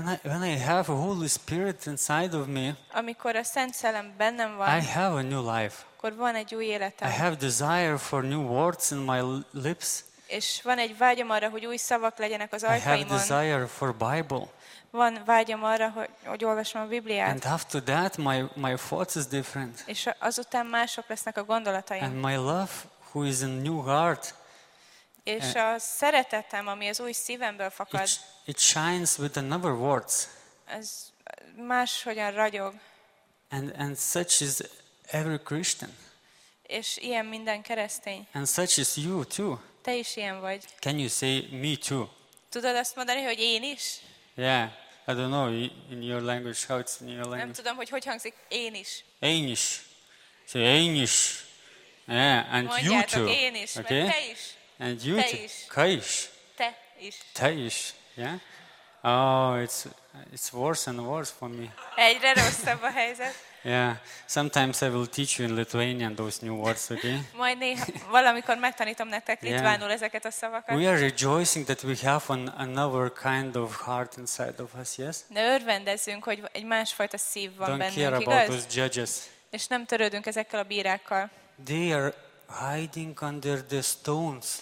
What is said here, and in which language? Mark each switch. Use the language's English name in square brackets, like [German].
[English] When I have a Holy Spirit inside of me, [Hungarian] amikor a Szent Szellem bennem van, [English] I have a new life. [Hungarian] Akkor van egy új életem. [English] I have desire for new words in my lips. [Hungarian] És van egy vágyam arra, hogy új szavak legyenek az ajkaimon. [English] I have desire for Bible. [Hungarian] Van vágyam arra, hogy olvasom a Bibliát. [English] And after that my thoughts is different. [Hungarian] És azután mások lesznek a gondolataim. [English] And my love who is in new heart. [Hungarian] És a szeretetem, ami az új szívemből fakad. [English] It shines with another words. [Hungarian] Ez máshogyan ragyog. [English] And such is every Christian. [Hungarian] És ilyen minden keresztény. [English] And such is you too. [Hungarian] Te is ilyen vagy. [English] Can you say me too? [Hungarian] Tudod azt mondani, hogy én is? [English] Yeah, I don't know in your language how it's in your language. [Hungarian] Nem tudom, hogy hangzik én is. Én is. [English] Say [Hungarian] én is. [English] Yeah, and [Hungarian] mondjátok, [English] you too. [Hungarian] Mondjátok én is, okay? Te is. [English] And you [Hungarian] te [English] too. [Hungarian] Is. Ka is. Te is. Te is. [English] Yeah? Oh, it's worse and worse for me. [Hungarian] Egyre rosszabb a helyzet. [English] Yeah, sometimes I will teach you in Lithuanian those new words, okay? [Hungarian] Majd néha, valamikor megtanítom nektek litvánul ezeket a szavakat. [English] We are rejoicing that we have another kind of heart inside of us, yes? [Hungarian] De örvendezünk, hogy egy másfajta szív van bennünk, igaz? [English] Don't care about those judges. [Hungarian] És nem törődünk ezekkel a bírákkal. [English] They are hiding under the stones.